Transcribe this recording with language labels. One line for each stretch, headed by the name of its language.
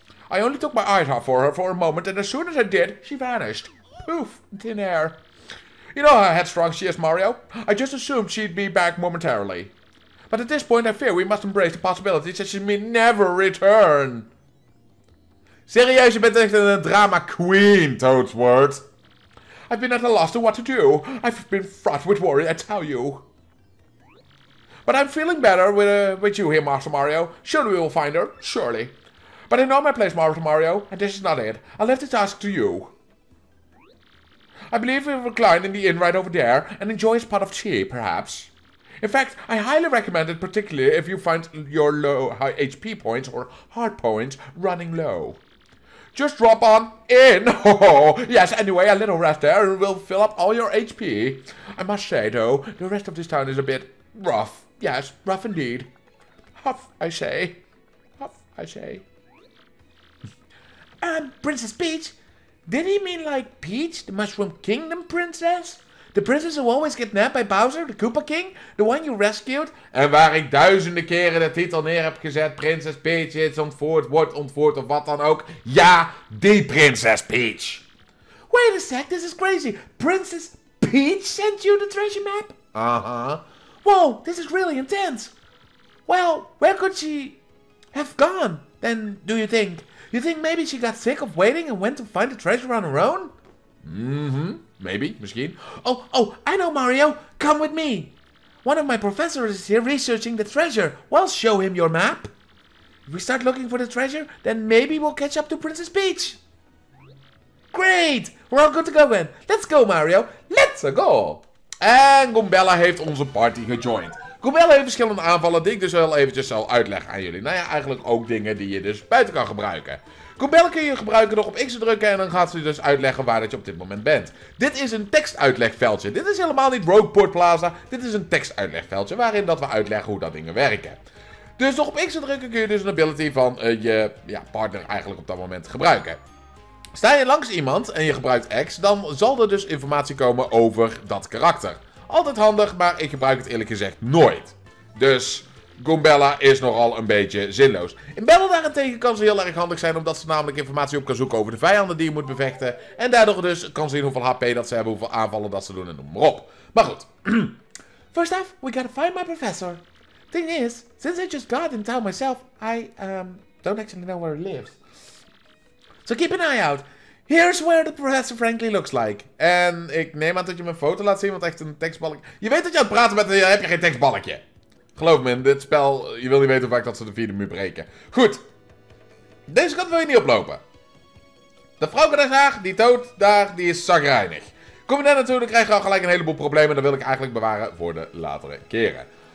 English: I only took my eyes off for her for a moment, and as soon as I did, she vanished. Poof, thin air. You know how headstrong she is, Mario. I just assumed she'd be back momentarily. But at this point, I fear we must embrace the possibility that she may never return.
Dutch: Serieus, je bent echt een drama queen, Toadsworld.
English: I've been at a loss to what to do. I've been fraught with worry, I tell you. But I'm feeling better with you here, Master Mario. Surely we will find her, surely. But I know my place, Master Mario, and this is not it. I'll leave the task to you. I believe we'll recline in the inn right over there and enjoy a spot of tea, perhaps. In fact, I highly recommend it, particularly if you find your low HP points or heart points running low. Just drop on in. Yes, anyway, a little rest there and we'll fill up all your HP. I must say, though, the rest of this town is a bit rough. Yes, rough indeed. Huff, I say. Huff, I say. Princess Peach? Did he mean, like, Peach, the Mushroom Kingdom princess? The princess who always gets kidnapped by Bowser, the Koopa King? The one you rescued?
Dutch: En waar ik duizenden keren de titel neer heb gezet, Princess Peach is ontvoerd, wordt ontvoerd of wat dan ook. Ja, die Princess Peach!
English: Wait a sec, this is crazy. Princess Peach sent you the treasure map? Whoa, this is really intense. Well, where could she have gone, then, do you think? You think maybe she got sick of waiting and went to find the treasure on her own? Maybe, misschien. Oh, I know, Mario. Come with me. One of my professors is here researching the treasure. Well, show him your map. If we start looking for the treasure, then maybe we'll catch up to Princess Peach. Great! We're all good to go then. Let's go, Mario. Let's go!
Dutch: En Gumbella heeft onze party gejoined. Gumbella heeft verschillende aanvallen die ik dus wel eventjes zal uitleggen aan jullie. Nou ja, eigenlijk ook dingen die je dus buiten kan gebruiken. Gumbella kun je gebruiken door op X te drukken en dan gaat ze dus uitleggen waar dat je op dit moment bent. Dit is een tekstuitlegveldje. Dit is helemaal niet Rogueport Plaza. Dit is een tekstuitlegveldje waarin dat we uitleggen hoe dat dingen werken. Dus door op X te drukken kun je dus een ability van je partner eigenlijk op dat moment gebruiken. Sta je langs iemand en je gebruikt X, dan zal er dus informatie komen over dat karakter. Altijd handig, maar ik gebruik het eerlijk gezegd nooit. Dus Gumbella is nogal een beetje zinloos. In Battle daarentegen kan ze heel erg handig zijn, omdat ze namelijk informatie op kan zoeken over de vijanden die je moet bevechten. En daardoor dus kan zien hoeveel HP dat ze hebben, hoeveel aanvallen dat ze doen en noem maar op. Maar goed.
English: First off, we gotta find my professor. Thing is, since I just got in town myself, I don't actually know where he lives. So keep an eye out. Here's where the Professor Frankly looks like.
Dutch: En ik neem aan dat je mijn foto laat zien, want echt een tekstbalk. Je weet dat je aan het praten bent en heb je geen tekstbalkje. Geloof me, in dit spel, je wil niet weten hoe vaak dat ze de vierde muur breken. Goed. Deze kant wil je niet oplopen. De vrouw kan daar graag, die Toad daar, die is zagrijnig. Kom je daar naartoe, dan krijg je al gelijk een heleboel problemen. Dat wil ik eigenlijk bewaren voor de latere keren.